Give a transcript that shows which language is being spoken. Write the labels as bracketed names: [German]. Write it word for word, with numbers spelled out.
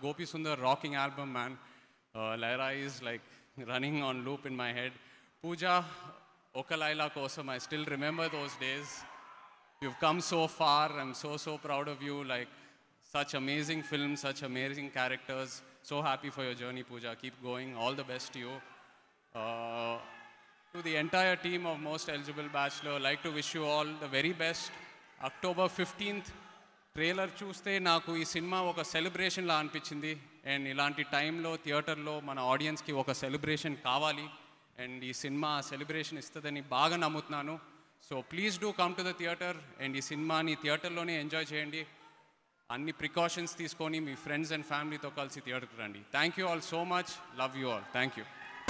[English] Gopi Sundar rocking album man. Leharaayi is like running on loop in my head. Pooja, Oka Laila Kosam I still remember those days. You've come so far. I'm so so proud of you. Like such amazing film, such amazing characters. So happy for your journey Pooja. Keep going. All the best you. To the entire team of Most Eligible Bachelor, like to wish you all the very best. October fifteenth [Telugu] trailer చూస్తే నాకు ఈ cinema ఒక celebration లా అనిపించింది. And ఇలాంటి టైంలో థియేటర్లో మన ఆడియన్స్కి ఒక సెలబ్రేషన్ కావాలి. అండ్ ఈ సినిమా సెలబ్రేషన్ ఇస్తుందని బాగా నమ్ముతున్నాను. [English] So please do come to the theatre. [Telugu] And ఈ సినిమాని థియేటర్లోనే ఎంజాయ్ చేయండి. అన్ని ప్రికాషన్స్ తీసుకొని మీ ఫ్రెండ్స్ అండ్ ఫ్యామిలీతో కలిసి థియేటర్కి రండి. [English] Thank you all so much. Love you all. Thank you.